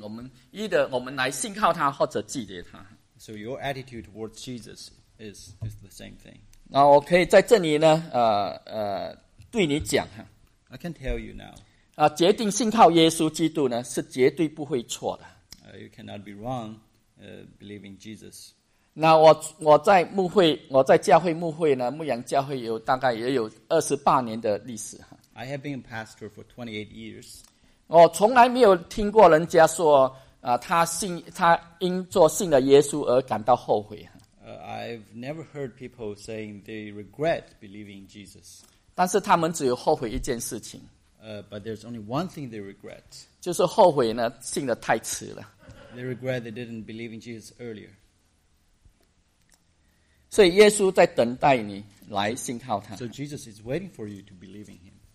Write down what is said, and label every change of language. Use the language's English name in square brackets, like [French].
[Chinese] 我们either我们来信靠他，或者拒绝他。 [English] So your attitude towards Jesus is the same thing. [Chinese] 那我可以在这里呢，对你讲哈。 [English] I can tell you now. [Chinese] 决定信靠耶稣基督呢，是绝对不会错的。 [English] You cannot be wrong believing Jesus. [Chinese] 那我在教会牧养教会有大概也有28年的历史。 [English] I have been a pastor for 28 years. [Chinese] 我从来没有听过人家说他因做信了耶稣而感到后悔。 [English] I've never heard people saying they regret believing Jesus. [Chinese] 但是他们只有后悔一件事情。 [English] But there's only one thing they regret. [Chinese] 就是后悔呢，信得太迟了。 [English] They regret they didn't believe in Jesus earlier. [Chinese] 所以耶稣在等待你来信靠他。 [English] So Jesus is waiting for you to believe in him.